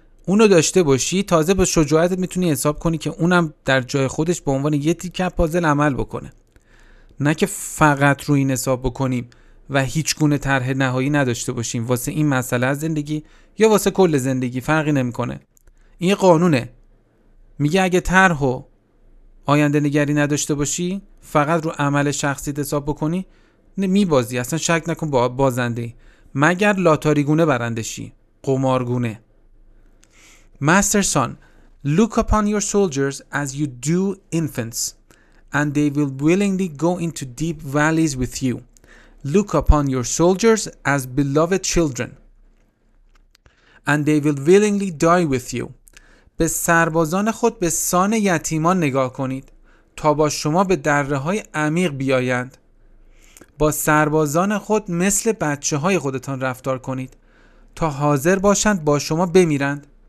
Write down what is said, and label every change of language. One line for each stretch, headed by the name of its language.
Persian: اونو داشته باشی تازه با شجاعت میتونی حساب کنی که اونم در جای خودش به عنوان یه تیکه پازل عمل بکنه، نه که فقط رو این حساب بکنیم و هیچ گونه طرح نهایی نداشته باشیم واسه این مسئله از زندگی یا واسه کل زندگی، فرقی نمیکنه. این قانونه، میگه اگه طرح و آینده نگری نداشته باشی فقط رو عمل شخصی حساب بکنی میبازی، اصلا شک نکن بازنده‌ای، مگر لاتاری گونه برنده شی، قمار گونه.
English: Master son, look upon your soldiers as you do infants, and they will willingly go into deep valleys with you. Look upon your soldiers as beloved children, and they will willingly die with you.
Persian: به سربازان خود به سان یتیمان نگاه کنید تا با شما به دره های عمیق بیایند. با سربازان خود مثل بچه های خودتان رفتار کنید تا حاضر باشند با شما بمیرند.